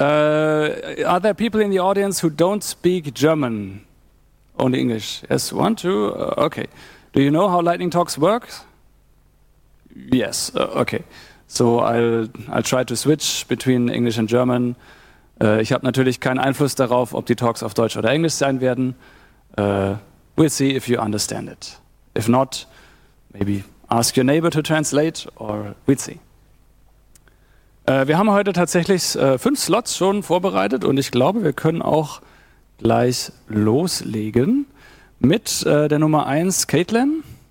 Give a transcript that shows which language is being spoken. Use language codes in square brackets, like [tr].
[en] Are there people in the audience who don't speak German? Only English? Yes, one, two, okay. Do you know how Lightning Talks works? Yes, okay. So I'll try to switch between English and German. [de] Ich habe natürlich keinen Einfluss darauf, ob die Talks auf Deutsch oder Englisch sein werden. [en] We'll see if you understand it. If not, maybe ask your neighbor to translate or we'll see. [de] Wir haben heute tatsächlich 5 Slots schon vorbereitet und ich glaube, wir können auch gleich loslegen mit der Nummer 1, Caitlin.